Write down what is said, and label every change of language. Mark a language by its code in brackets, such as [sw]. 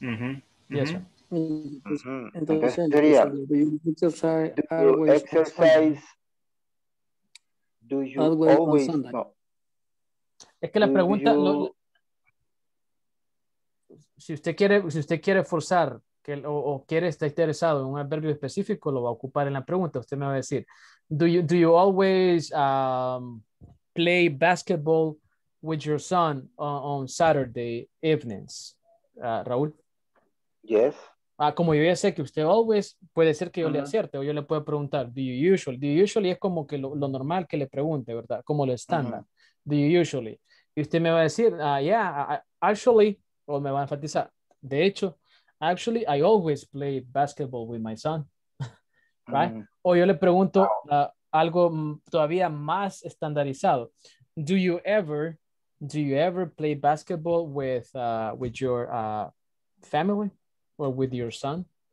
[es] Entonces, sería, [en] do you exercise, do you always, no. [es] Es que la pregunta, si usted quiere forzar que, o quiere estar interesado en un adverbio específico, lo va a ocupar en la pregunta. Usted me va a decir, [en] do you always, play basketball with your son on Saturday evenings, Raúl? Yes. [es] Como yo ya sé que usted always, puede ser que yo le acierte o yo le pueda preguntar, [en] do you usually [es] es como que lo normal que le pregunte, ¿verdad? Como lo estándar, [en] do you usually, [es] y usted me va a decir, actually, o me va a enfatizar, de hecho, [en] actually I always play basketball with my son, right? [es] O yo le pregunto, algo todavía más estandarizado. [en] Do you ever play basketball with your family or with your son?